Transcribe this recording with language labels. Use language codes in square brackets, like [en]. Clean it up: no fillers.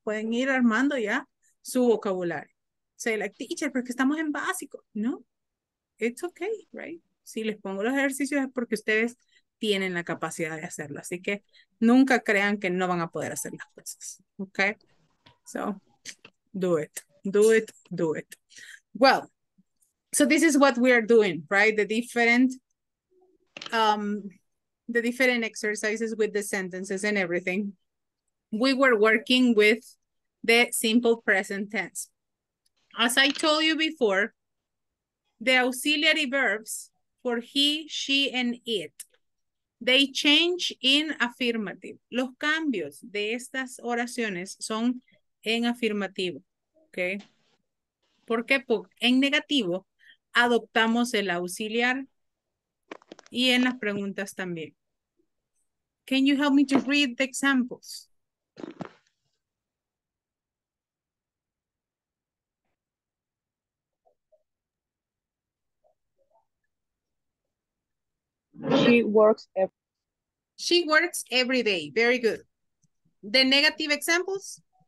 [es] Pueden ir armando ya su vocabulario. [en] Say like, teacher, [es] porque estamos en básico. [en] No, it's okay, right? [es] Si les pongo los ejercicios es porque ustedes tienen la capacidad de hacerlo. Así que nunca crean que no van a poder hacer las cosas. [en] ¿Ok? So, do it. Do it. Do it. Well, so this is what we are doing, right? The different exercises with the sentences and everything. We were working with the simple present tense. As I told you before, the auxiliary verbs for he, she, and it. They change in affirmative. [es] Los cambios de estas oraciones son en afirmativo. Okay. ¿Por qué? Porque en negativo adoptamos el auxiliar y en las preguntas también. [en] Can you help me to read the examples? She works every She works every day. Very good. The negative examples?